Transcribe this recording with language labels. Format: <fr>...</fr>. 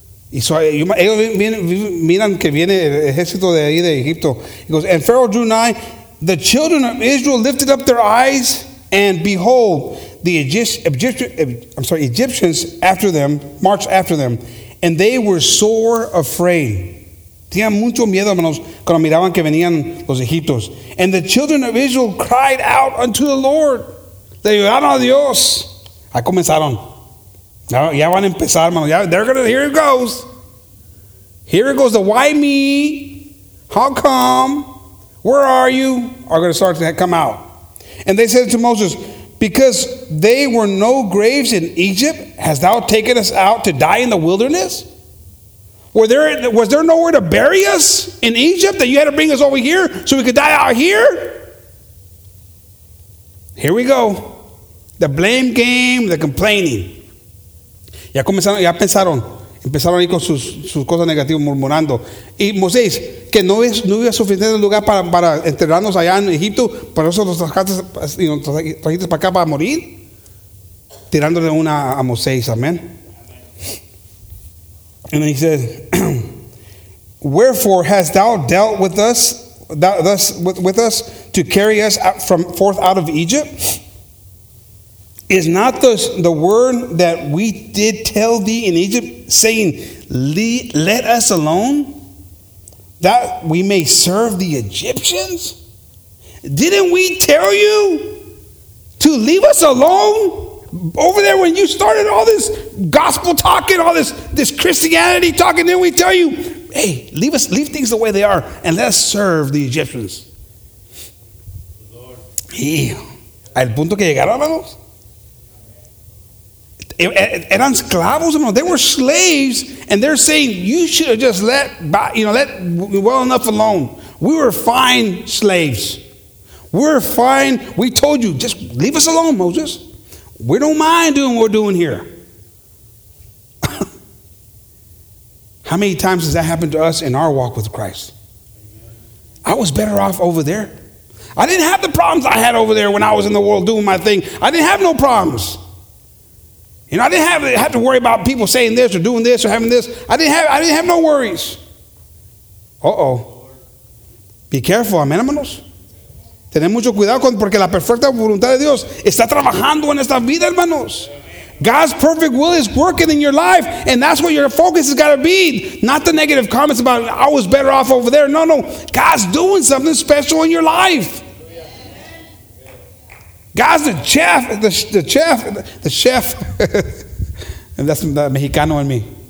<es>Y ellos miran que viene el ejército de ahí de Egipto.</es> <en>He goes, and Pharaoh drew nigh. The children of Israel lifted up their eyes, and behold, the Egyptians after them, marched after them, and they were sore afraid.</en> <es>Tenían mucho miedo, hermanos, cuando miraban que venían los egipcios.</es> <en>And the children of Israel cried out unto the Lord.</en> <es>Le ayudaron a Dios. Ahí comenzaron. Ya van a empezar, hermanos.</es> <en>Here it goes. Here it goes. The why me? How come? Where are you? Are going to start to come out. And they said to Moses, because they were no graves in Egypt, hast thou taken us out to die in the wilderness? Was there nowhere to bury us in Egypt that you had to bring us over here so we could die out here? Here we go. The blame game, the complaining.</en> <es>Ya comenzaron, ya pensaron, empezaron ahí con sus cosas negativas, murmurando. Y Moisés, que no es, no había suficiente lugar para enterrarnos allá en Egipto, por eso los trajiste y nos trajiste para acá para morir, tirándole una a Moisés, amén.</es> <en>And he said, wherefore hast thou dealt with us, thus with us, to carry us out from forth out of Egypt? Is not this the word that we did tell thee in Egypt, saying, let us alone, that we may serve the Egyptians? Didn't we tell you to leave us alone? Over there when you started all this gospel talking, all this Christianity talking, didn't we tell you, hey, leave things the way they are and let us serve the Egyptians?</en> <es>Lord. Y al punto que llegaron, hermanos, eran esclavos, hermanos.</es> <en>They were slaves, and they're saying, you should have just let well enough alone. We were fine slaves. We're fine. We told you, just leave us alone, Moses. We don't mind doing what we're doing here. How many times has that happened to us in our walk with Christ? I was better off over there. I didn't have the problems I had over there when I was in the world doing my thing. I didn't have no problems. You know, I didn't have to worry about people saying this or doing this or having this. I didn't have no worries. Uh-oh. Be careful, amén, hermanos.</en> <es>Tener mucho cuidado con, porque la perfecta voluntad de Dios está trabajando en esta vida, hermanos.</es> <en>God's perfect will is working in your life, and that's what your focus has got to be. Not the negative comments about, I was better off over there. No, no. God's doing something special in your life. God's the chef. And that's the Mexicano in me.</en>